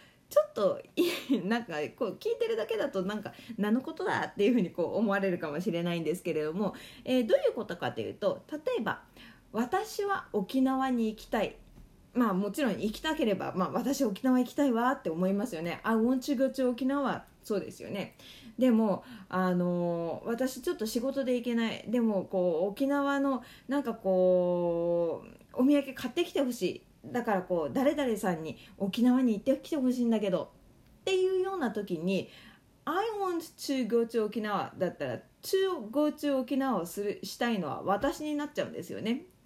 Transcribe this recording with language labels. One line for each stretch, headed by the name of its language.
Japanese: ちょっとなんかこう聞いてるだけだとなんか何のことだっていうふうにこう思われるかもしれないんですけれども、どういうことかというと、例えば私は沖縄に行きたい、まあもちろん行きたければ、まあ、私沖縄行きたいわって思いますよね。
English: I want to go to 沖縄、そうですよね。
Japanese: でも私ちょっと仕事で行けない、でもこう沖縄のなんかこうお土産買ってきてほしい、だからこう誰々さんに沖縄に行ってきてほしいんだけどっていうような時に
English: I want to go to 沖縄
Japanese: だったら
English: to go to 沖縄
Japanese: をするしたいのは私になっちゃうんですよね。